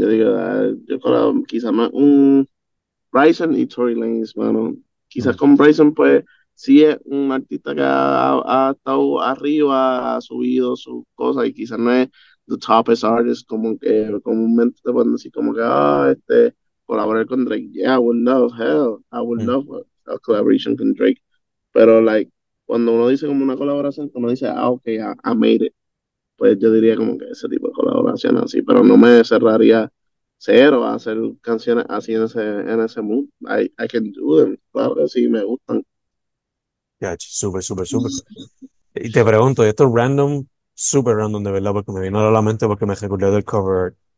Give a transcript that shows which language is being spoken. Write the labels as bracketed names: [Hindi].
[Spanish] Yo digo, quizás más un Bryson y Tory Lanez, mano. Quizás con Bryson, pues, sí es un artista que ha estado arriba, ha subido sus cosas, y quizás no es [English] the topest artist, [Spanish] como que comúnmente te pueden decir, como que, colaborar con Drake. [English] Yeah, I would love, hell, I would love a collaboration [Spanish] con Drake. Pero, like, cuando uno dice como una colaboración, uno dice, ah, ok, [English] I made it. [Spanish] Pues yo diría como que ese tipo de colaboración así, pero no me cerraría cero a hacer canciones así en ese mood. [English] I can do them, [Spanish] claro que sí, me gustan. Súper, súper, súper. Y te pregunto, esto es random, súper random de verdad, porque me vino a la mente porque me recordé del cover art.